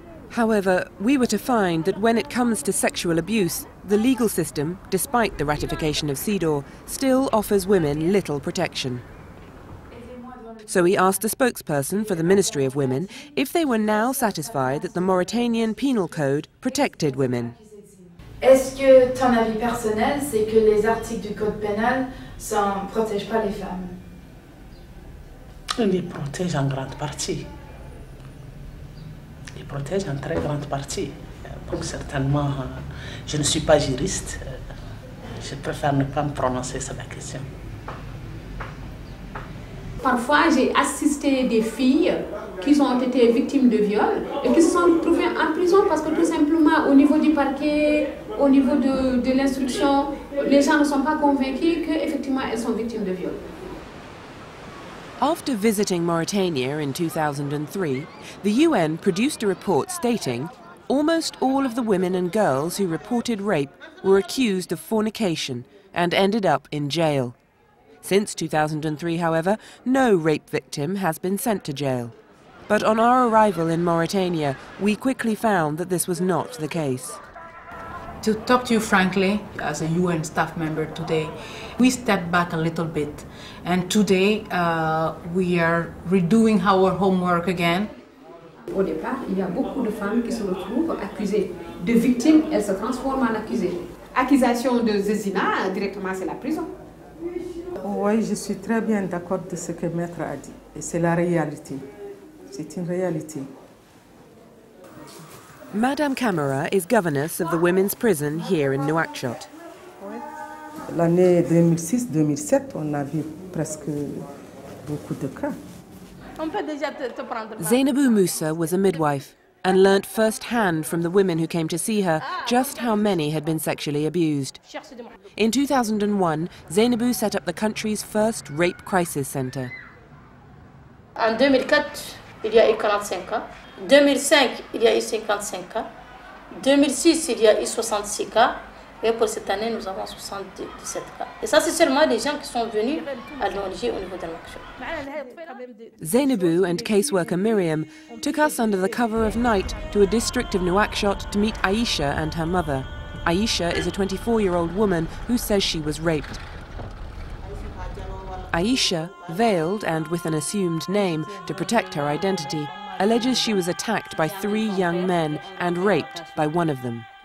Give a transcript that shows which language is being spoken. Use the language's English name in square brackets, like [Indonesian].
[English] However, we were to find that when it comes to sexual abuse, the legal system, despite the ratification of CEDAW, still offers women little protection. So we asked a spokesperson for the Ministry of Women if they were now satisfied that the Mauritanian Penal Code protected women. [French] Est-ce que ton avis personnel c'est que les articles du code pénal ça protège pas les femmes? Ils les protègent en grande partie. Ils protègent en très grande partie. Donc certainement, je ne suis pas juriste. Je préfère ne pas me prononcer sur la question. Parfois, j'ai assisté des filles qui ont été victimes de viols et qui se sont retrouvés en prison parce que tout simplement au niveau du parquet, au niveau de l'instruction, les gens ne sont pas convaincus qu'effectivement elles sont victimes de viols. [English] After visiting Mauritania in 2003, the UN produced a report stating almost all of the women and girls who reported rape were accused of fornication and ended up in jail. Since 2003, however, no rape victim has been sent to jail. But on our arrival in Mauritania, we quickly found that this was not the case. To talk to you frankly, as a UN staff member today, we stepped back a little bit. And today, we are redoing our homework again. [French] Au départ, il y a beaucoup de femmes qui se retrouvent accusées. De victimes, elles se transforment en accusées. Accusation de zézina, directement, c'est la prison. Oui, je suis très bien d'accord de ce que Maître a dit. Et c'est la réalité. C'est une réalité. [English] Madame Camara is governess of the women's prison here in Nouakchott. [French] L'année 2006-2007, on a vu presque beaucoup de cas. On peut déjà te prendre. [English] Zainabou Moussa was a midwife and learnt firsthand from the women who came to see her just how many had been sexually abused. In 2001, Zainabou set up the country's first rape crisis centre. [French] En 2004, il y a eu 45 cas. 2005, il y a eu 55 cas. 2006, il y a eu 66 cas. Et pour cette année, nous avons 77 cas. Et ça, c'est seulement des gens qui sont venus à l'ONG au niveau de l'action. [English] Zainabou and caseworker Miriam took us under the cover of night to a district of Nouakchott to meet Aisha and her mother. Aisha is a 24-year-old woman who says she was raped. Aisha, veiled and with an assumed name to protect her identity, alleges she was attacked by three young men and raped by one of them.